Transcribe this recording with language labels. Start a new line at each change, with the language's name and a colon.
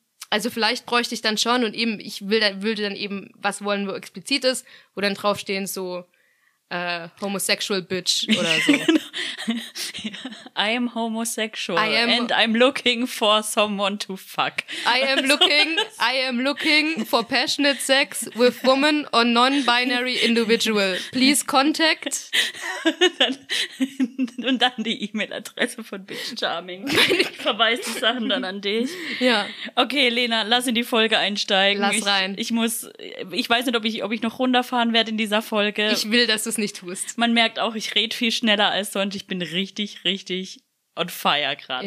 German: Also vielleicht bräuchte ich dann schon und eben, ich würde dann eben was wollen, wo explizit ist, wo dann draufstehen so
English: homosexual bitch
German: oder so.
English: I am homosexual and I'm looking for someone to fuck. I am looking for passionate sex with woman or non-binary individual. Please contact.
German: Und dann die E-Mail-Adresse von Bitch Charming. Ich verweise die Sachen dann an dich. Ja. Okay, Lena, lass in die Folge einsteigen. Lass rein. Ich weiß nicht, ob ich noch runterfahren werde in dieser Folge. Ich will, dass du es nicht tust. Man merkt auch, ich rede viel schneller als sonst. Ich bin richtig, richtig
English: on fire
German: gerade.